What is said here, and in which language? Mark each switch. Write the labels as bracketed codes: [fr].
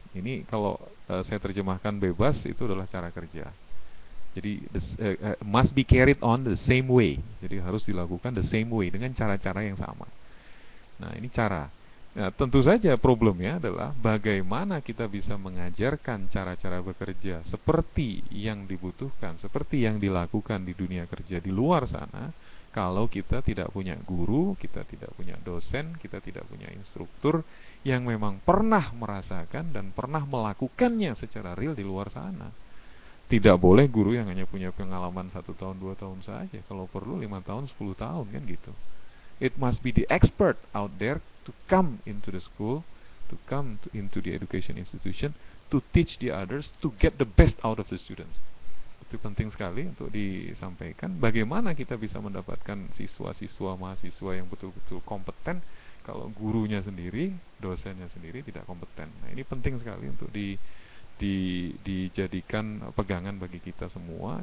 [id] Ini kalau saya terjemahkan bebas, itu adalah cara kerja. Jadi [en] must be carried on the same way. [id] Jadi harus dilakukan [en] the same way, [id] dengan cara-cara yang sama. Nah, ini cara. Nah, tentu saja problemnya adalah bagaimana kita bisa mengajarkan cara-cara bekerja seperti yang dibutuhkan, seperti yang dilakukan di dunia kerja di luar sana, kalau kita tidak punya guru, kita tidak punya dosen, kita tidak punya instruktur yang memang pernah merasakan dan pernah melakukannya secara real di luar sana. Tidak boleh guru yang hanya punya pengalaman 1 tahun, 2 tahun saja, kalau perlu 5 tahun, 10 tahun, kan gitu. [en] It must be the expert out there to come into the school, to come into the education institution, to to teach the others to get the best out of the students. [id] Itu penting sekali untuk disampaikan, bagaimana kita bisa mendapatkan siswa-siswa, mahasiswa yang betul-betul kompeten kalau gurunya sendiri, dosennya sendiri tidak kompeten. Nah, ini penting sekali untuk dijadikan pegangan bagi kita semua.